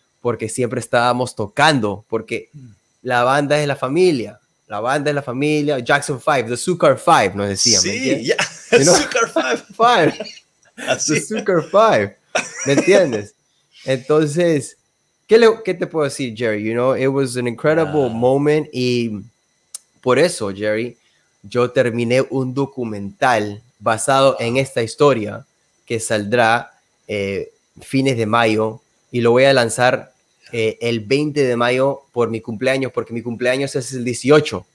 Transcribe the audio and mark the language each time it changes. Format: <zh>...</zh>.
<es>Porque siempre estábamos tocando, porque la banda es la familia. La banda es la familia. Jackson 5, The Sucker 5, nos decían. Sí, ya.</es> <en>Yeah.</en> <es>¿No? Sucker 5. The Sucker 5. ¿Me entiendes? Entonces, ¿Qué te puedo decir, Jerry?</es> <en>You know, it was an incredible moment.</en> <es>Y por eso, Jerry, yo terminé un documental basado en esta historia que saldrá fines de mayo. Y lo voy a lanzar el 20 de mayo por mi cumpleaños, porque mi cumpleaños es el 18.</es>